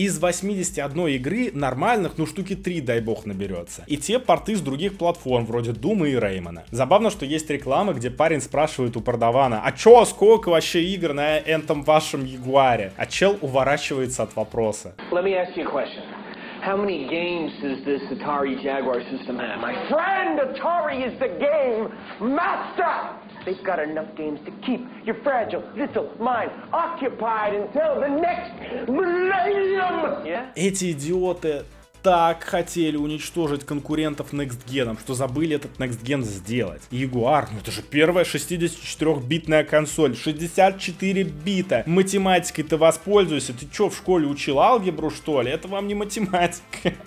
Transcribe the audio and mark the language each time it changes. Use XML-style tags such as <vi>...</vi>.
<ru>Из 81 игры нормальных, ну штуки 3, дай бог, наберется. И те порты с других платформ, вроде Дума и Реймана. Забавно, что есть реклама, где парень спрашивает у продавана, а че, сколько вообще игр на этом вашем Ягуаре? А чел уворачивается от вопроса.</ru> <en>Let me ask you a question. How many games does this Atari Jaguar system have? My friend, Atari is the game master! They've got enough games to keep your fragile little mind occupied until the next millennium! Yeah?</en> <ru>Эти идиоты так хотели уничтожить конкурентов Next Gen'ом, что забыли этот Next Gen сделать. Jaguar, ну это же первая 64-битная консоль. 64 бита. Математикой ты воспользуйся. Ты что, в школе учил алгебру, что ли? Это вам не математика.</ru>